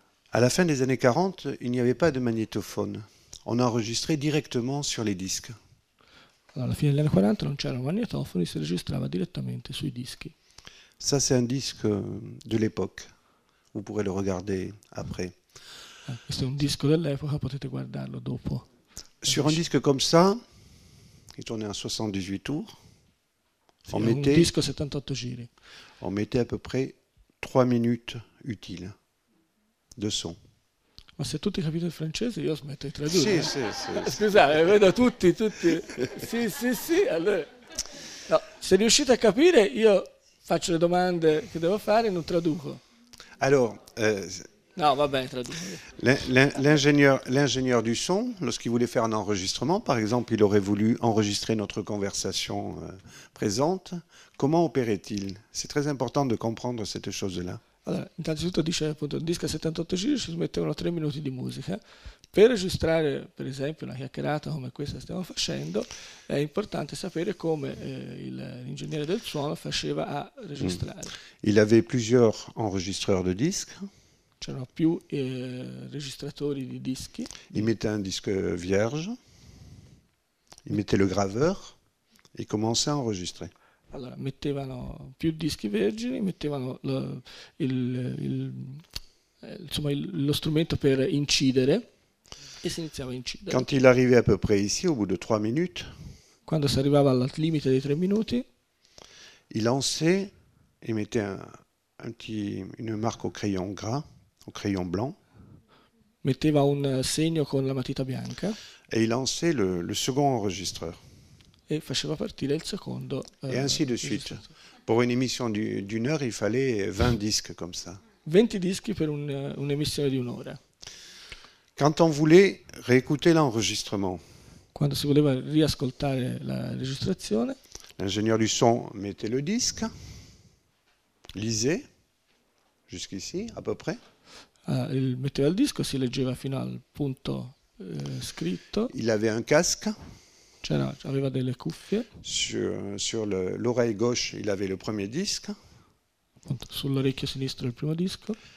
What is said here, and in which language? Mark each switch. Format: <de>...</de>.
<fr>À la fin des années 40, il n'y avait pas de magnétophone. On enregistrait directement sur les disques.</fr> <it>Allora, alla fine degli anni 40 non c'erano magnetofoni, si registrava direttamente sui dischi.</it> <fr>Ça, c'est un disque de l'époque. Vous pourrez le regarder après.</fr> <it>Questo è un disco dell'epoca, potete guardarlo dopo,</it> <fr>Sur un</fr> <it>amici.</it> <fr>disque comme ça, il tournait en 78 tours,</fr> <it>Sì, è un disco 78 giri.</it> <fr>on mettait à peu près 3 minutes utiles de son.</fr> <it>Ma se tutti capite il francese, io smetto di Sì, tradurre. Scusate, sì, vedo tutti. Sì, allora. No, se riuscite a capire, io faccio le domande che devo fare e non traduco. Allora, No, va bene, traduco.</it> <fr>l'ingénieur du son, lorsqu'il voulait faire un enregistrement, par exemple, il aurait voulu enregistrer notre conversation présente, comment opérait-il? C'est très important de comprendre cette chose-là.</fr> <it>Allora, intanto dice appunto un disco a 78 giri, ci smettevano 3 minuti di musica. Per registrare, per esempio, una chiacchierata come questa che stiamo facendo, è importante sapere come l'ingegnere del suono faceva a registrare.</it> <fr>Il avait plusieurs enregistreurs de disques.</fr> <it>C'erano più registratori di dischi.</it> <fr>Il mettait un disque vierge, il mettait le graveur et commençait à enregistrer.</fr> <it>Allora, mettevano più dischi vergini, mettevano lo strumento per incidere e si iniziava a</it> <fr>Quand</fr> <it>incidere.</it> <fr>il arrivait à peu près ici, au bout de 3 minutes,</fr> <it>Quando si arrivava al limite dei 3 minuti,</it> <fr>il lançait et mettait une marque au crayon gras, au crayon blanc,</fr> <it>metteva un segno con la matita bianca</it> <fr>et il lançait le second enregistreur.</fr> <it>e faceva partire il secondo</it> <fr>Et ainsi de suite.</fr> <it>registratore.</it> <fr>Pour une émission d'une heure, il fallait 20 disques comme ça.</fr> <it>20 dischi per un'emissione di un'ora.</it> <fr>Quand on voulait réécouter l'enregistrement,</fr> <it>Quando si voleva riascoltare la registrazione,</it> <fr>l'ingénieur du son mettait le disque, lisait jusqu'ici, à peu près.</fr> <it>metteva il disco, si leggeva fino al punto scritto.</it> <fr>Il avait un casque.</fr> <it>Aveva delle cuffie.</it> <fr>Sur l'oreille gauche, il avait le premier disque.</fr> <it>Sull'orecchio sinistro il primo disco.</it>